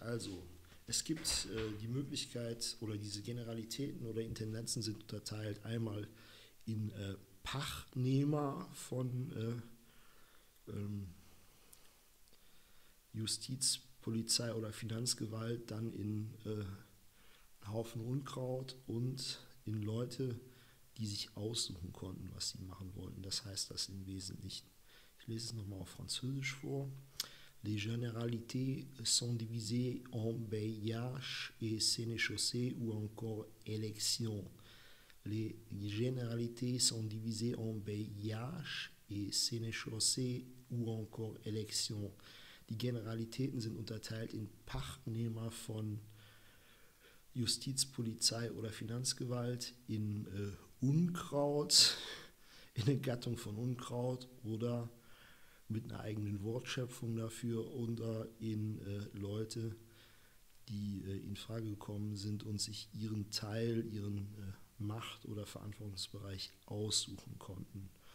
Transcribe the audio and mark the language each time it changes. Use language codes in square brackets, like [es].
[de] Also, es gibt die Möglichkeit oder diese Generalitäten oder Intendenzen sind unterteilt einmal in Pachtnehmer von Justiz, Polizei oder Finanzgewalt, dann in Haufen Unkraut und in Leute, die sich aussuchen konnten, was sie machen wollten. Das heißt das im Wesentlichen. Ich lese es nochmal auf Französisch vor. [fr] Les généralités sont divisées en bailliage et sénéchaussée ou encore élection. Les généralités sont divisées en bailliage et sénéchaussée ou encore élection. [de] Die Generalitäten sind unterteilt in Pachtnehmer von Justiz, Polizei oder Finanzgewalt, in Unkraut, in eine Gattung von Unkraut oder mit einer eigenen Wortschöpfung dafür oder in Leute, die in Frage gekommen sind und sich ihren Teil, ihren Macht- oder Verantwortungsbereich aussuchen konnten.